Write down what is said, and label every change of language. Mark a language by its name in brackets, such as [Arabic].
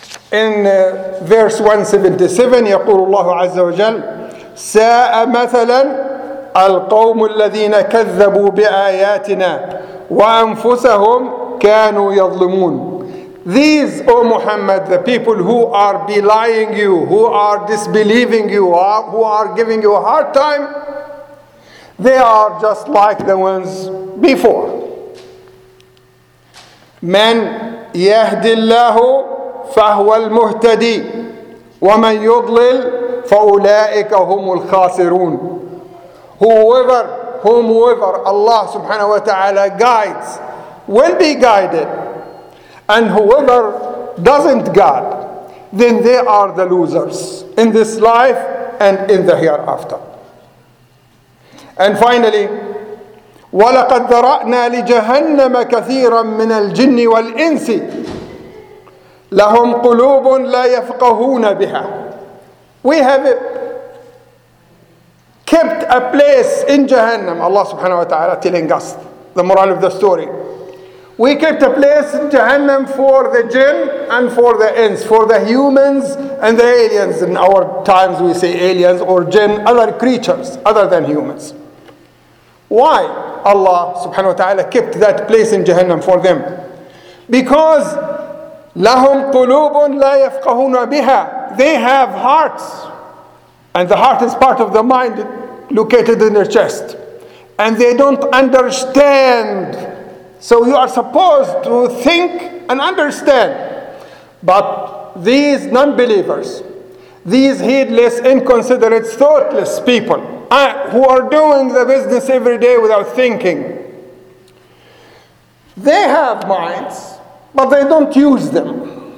[English] In verse 177, [Arabic] يقول الله عز وجل ساء مثلا القوم الذين كذبوا بآياتنا وأنفسهم كانوا يظلمون. [English] These, O Muhammad, the people who are belying you, who are disbelieving you, who are giving you a hard time, they are just like the ones before. [Arabic] من يهدي الله فهو المهتدي ومن يضلل فأولئك هم الخاسرون. [English] Whomever Allah subhanahu wa ta'ala guides will be guided, and whoever doesn't guide, then they are the losers in this life and in the hereafter. And finally, [Arabic] وَلَقَدْ ذَرَأْنَا لِجَهَنَّمَ كَثِيرًا مِنَ الْجِنِّ وَالْإِنْسِ لَهُمْ قُلُوبٌ لَا يَفْقَهُونَ بِهَا. [English] We have kept a place in Jahannam. Allah subhanahu wa ta'ala telling us the moral of the story. We kept a place in Jahannam for the jinn and for the ins, for the humans and the aliens. In our times we say aliens or jinn, other creatures other than humans. Why Allah subhanahu wa ta'ala kept that place in Jahannam for them? Because [Arabic] لَهُمْ قُلُوبٌ لَا يَفْقَهُونَ بِهَا. [English] They have hearts. And the heart is part of the mind located in their chest. And they don't understand. So you are supposed to think and understand. But these non-believers, these heedless, inconsiderate, thoughtless people who are doing the business every day without thinking, they have minds, but they don't use them.